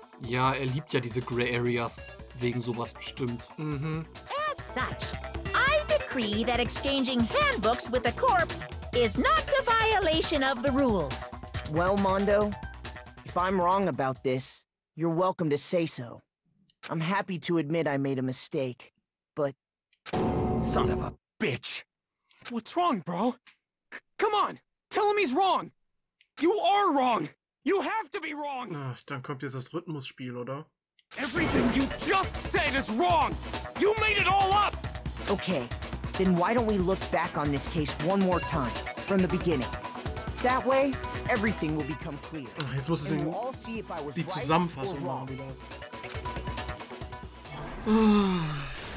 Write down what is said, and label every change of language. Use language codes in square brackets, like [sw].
[de] Ja, liebt ja diese [en] gray areas [de] wegen sowas bestimmt. Mhm. [en] As such, I decree that exchanging handbooks with a corpse is not a violation of the rules. Well, Mondo, if I'm wrong about this, you're welcome to say so. I'm happy to admit I made a mistake, but... Son of a bitch! What's wrong, bro? Come on! Tell him he's wrong! You are wrong! You have to be wrong! [de] Ach, dann kommt jetzt das Rhythmusspiel, oder? [en] Everything you just said is wrong! You made it all up! Okay, then why don't we look back on this case one more time, from the beginning? That way, everything will become clear. [de] Ach, jetzt musst du den, [en] we'll see if I was [de] die Zusammenfassung machen wieder.